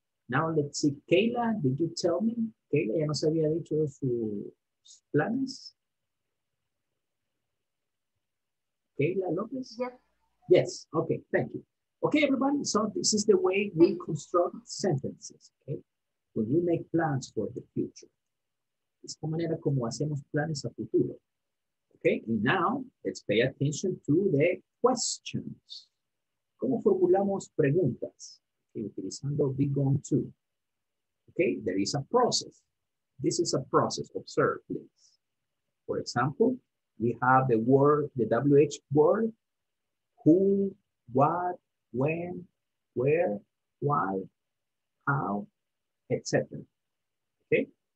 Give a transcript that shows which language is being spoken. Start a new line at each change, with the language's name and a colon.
English: Now let's see, Kayla, did you tell me?
Spanish: Kayla, ya nos había dicho sus planes.
English: Kayla López? Yes. Yes, okay, thank you. Okay, everybody, so this is the way we construct sentences, okay? When you make plans for the future.
Spanish: Es como manera como hacemos planes a futuro.
English: Okay, and now let's pay attention to the questions.
Spanish: ¿Cómo formulamos preguntas? Okay, utilizando be going to.
English: Okay, there is a process. This is a process, observe please. For example, we have the word, the WH word, who, what, when, where, why, how, etc. Okay?